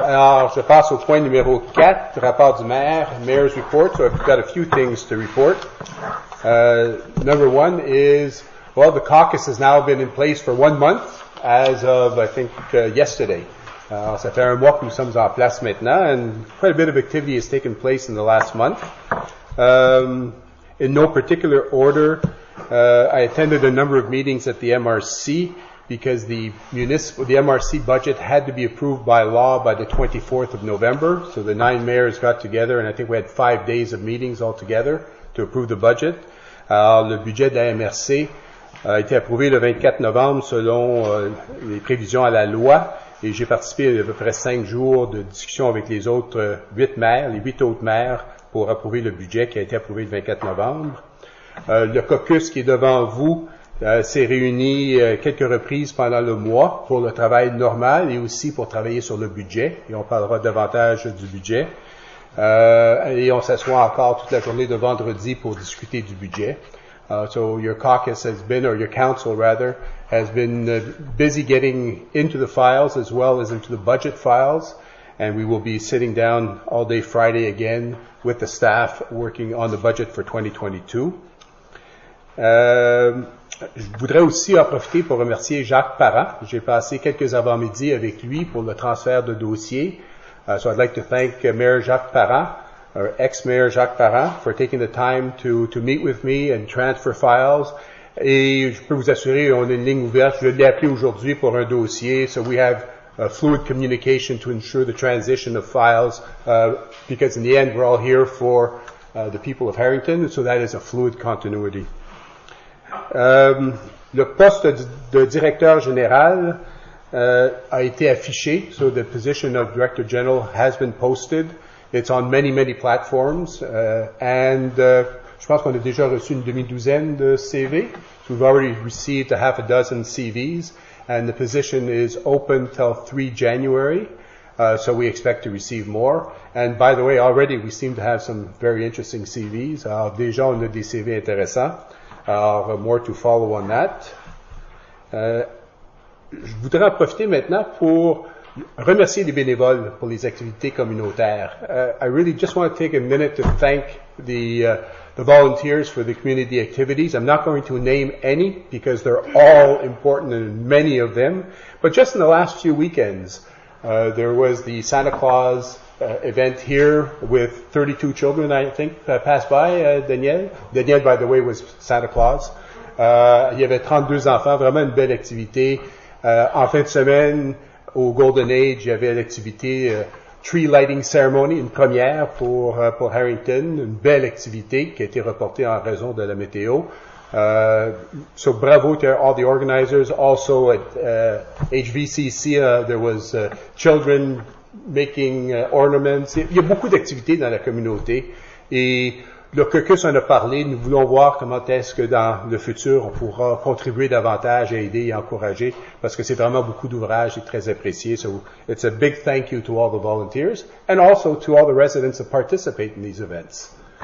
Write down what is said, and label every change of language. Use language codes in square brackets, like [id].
[fr] Alors, je passe au point numéro 4, rapport du maire, [en] mayor's report. So I've got a few things to report. Number one is, well, the caucus has now been in place for 1 month, as of, I think, yesterday. [fr] Ça fait un mois que nous sommes en place maintenant, [en] and quite a bit of activity has taken place in the last month. In no particular order, I attended a number of meetings at the MRC because the MRC budget had to be approved by law by the 24th of November. So the nine mayors got together, and I think we had 5 days of meetings altogether to approve the budget. [fr] Le budget de la MRC a été approuvé le 24 novembre selon les prévisions à la loi. Et j'ai participé à peu près 5 jours de discussion avec les autres 8 maires, les 8 autres maires, pour approuver le budget qui a été approuvé le 24 novembre. Le caucus qui est devant vous s'est réuni quelques reprises pendant le mois pour le travail normal et aussi pour travailler sur le budget. Et on parlera davantage du budget. Et on s'assoit encore toute la journée de vendredi pour discuter du budget. [en] So your caucus has been, or your council rather, has been busy getting into the files as well as into the budget files. And we will be sitting down all day Friday again with the staff working on the budget for 2022. [fr] Je voudrais aussi en profiter pour remercier Jacques Parent. J'ai passé quelques avant-midi avec lui pour le transfert de dossier. [en] So I'd like to thank Mayor Jacques Parent our ex-mayor Jacques Parent for taking the time to meet with me and transfer files. Et je peux vous assurer, on a une ligne ouverte. Je l'ai appelé aujourd'hui pour un dossier. So we have fluid communication to ensure the transition of files, because in the end, we're all here for the people of Harrington. So that is a fluid continuity. [fr] Le poste de directeur général a été affiché. [en] So the position of director general has been posted. It's on many, many platforms. [fr] Je pense qu'on a déjà reçu une demi-douzaine de CV. [en] So we've already received a half a dozen CVs. And the position is open till 3 January. So we expect to receive more. And by the way, already we seem to have some very interesting CVs. [fr] Alors déjà, on a des CV intéressants. Alors, [en] more to follow on that. [fr] Je voudrais en profiter maintenant pour remercier les bénévoles pour les activités communautaires. [en] I really just want to take a minute to thank the volunteers for the community activities. I'm not going to name any because they're all important and many of them. But just in the last few weekends, there was the Santa Claus event here with 32 children, I think, passed by, Daniel. Daniel, by the way, was Santa Claus. [fr] Il y avait 32 enfants, vraiment une belle activité. En fin de semaine, au Golden Age, il y avait l'activité [en] tree lighting ceremony, [fr] une première pour Harrington, une belle activité qui a été reportée en raison de la météo. [en] So bravo to all the organizers. Also at HVCC, there was children making ornaments. [fr] Il y a beaucoup d'activités dans la communauté. Et le caucus en a parlé, nous voulons voir comment est-ce que dans le futur, on pourra contribuer davantage, aider et encourager, parce que c'est vraiment beaucoup d'ouvrages et très apprécié. [en] So it's a big thank you to all the volunteers, and also to all the residents that participate in these events.